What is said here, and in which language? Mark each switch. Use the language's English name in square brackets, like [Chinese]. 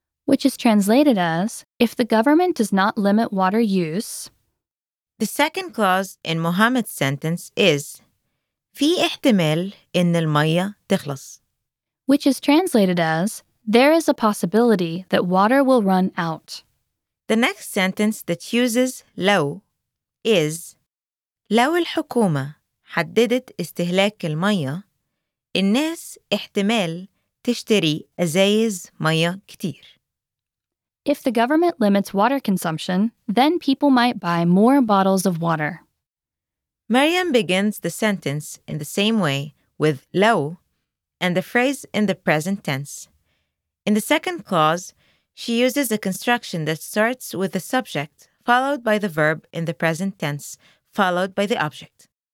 [English] Which is translated as, if the government does not limit water use. The second clause in Mohammed's sentence is, [Arabic] في احتمال إن المية تخلص. [English] Which is translated as, there is a possibility that water will run out. The next sentence that uses لو is, [Arabic] لو الحكومة حددت استهلاك المية, الناس احتمال تشتري أزايز مية كتير. [English] If the government limits water consumption, then people might buy more bottles of water. Maryam begins the sentence in the same way with لو and the phrase in the present tense. In the second clause, she uses a construction that starts with the subject, followed by the verb in the present tense, followed by the object.